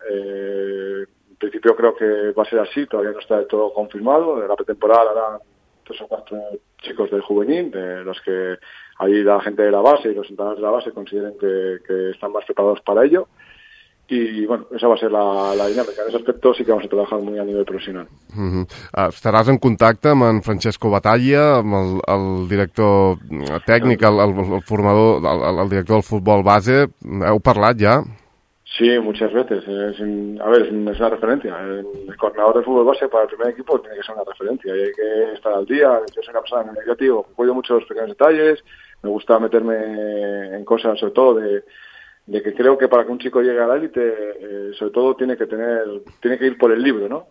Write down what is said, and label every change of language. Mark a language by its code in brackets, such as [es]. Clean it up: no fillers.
[es] En principio creo que va a ser así, todavía no está del todo confirmado. En la pretemporada harán 3 o 4 chicos del juvenil, de los que ahí la gente de la base y los entrenadores de la base consideren que están más preparados para ello. Y bueno, esa va a ser la dinámica. En ese aspecto sí que vamos a trabajar muy a nivel profesional. Uh-huh. [ca] Estaràs en contacte amb en Francesco Battaglia, amb el director tècnic, el formador, el director del futbol base? Heu parlat ja? [es] Sí, muchas veces. Es una referencia. El coordinador de futbol base para el primer equipo tiene que ser una referencia. Y hay que estar al día. Yo soy una persona muy negativa. Cuido mucho los pequeños detalles. Me gusta meterme en cosas, sobre todo de que creo que para que un chico llegue a la élite, sobre todo tiene que ir por el libro, ¿no?